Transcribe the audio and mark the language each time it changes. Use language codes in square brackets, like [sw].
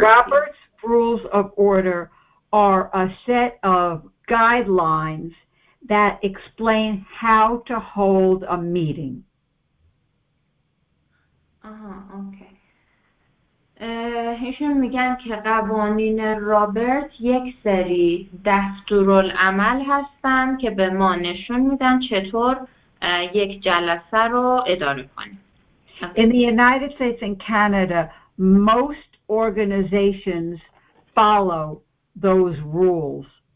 [en] Robert's rules of order are a set of guidelines that explain how to hold a meeting. Okay. [fa] ایشون میگن که قوانین رابرت یک سری دستورالعمل هستن که به ما نشون میدن چطور یک جلسه رو اداره کنیم. [en] In the United States and Canada, most organizations follow those rules.